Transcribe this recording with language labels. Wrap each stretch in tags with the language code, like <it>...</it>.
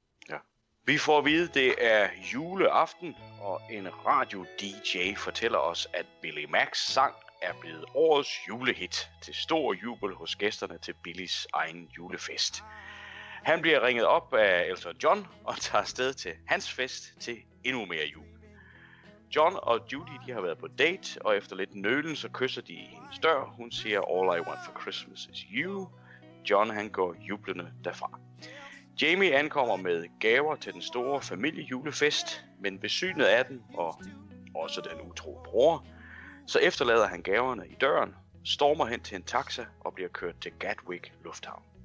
<da>Ja. Vi får at vide, det er juleaften, og en radio-DJ fortæller os, at Billy Max' sang er blevet årets julehit til stor jubel hos gæsterne til Billys egen julefest. Han bliver ringet op af Elton John og tager afsted til hans fest til endnu mere jul. John og Judy, de har været på date, og efter lidt nølen, så kysser de hendes dør. Hun siger,</da> <en>all I want for Christmas is you.</en> <da>John, han går jublende derfra. Jamie ankommer med gaver til den store familiejulefest, men ved synet af den, og også den utro bror, så efterlader han gaverne i døren, stormer hen til en taxa og bliver kørt til Gatwick Lufthavn.</da>